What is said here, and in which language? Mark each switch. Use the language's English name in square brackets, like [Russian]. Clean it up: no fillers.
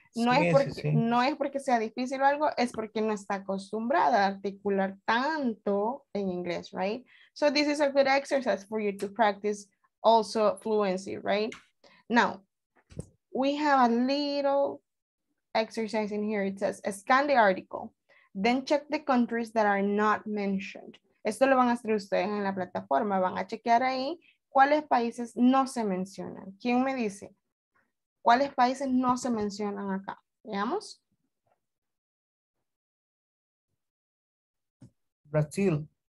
[Spanish] No es porque sea difícil o algo, es porque no está acostumbrada a articular tanto en inglés, right? [English] So this is a good exercise for you to practice also fluency, right? Now, we have a little exercise in here. It says, scan the article. Then check the countries that are not mentioned. [Spanish] Esto lo van a hacer ustedes en la plataforma. Van a chequear ahí cuáles países no se mencionan. ¿Quién me dice? ¿Cuáles países no se mencionan acá? Veamos. [English] Brazil.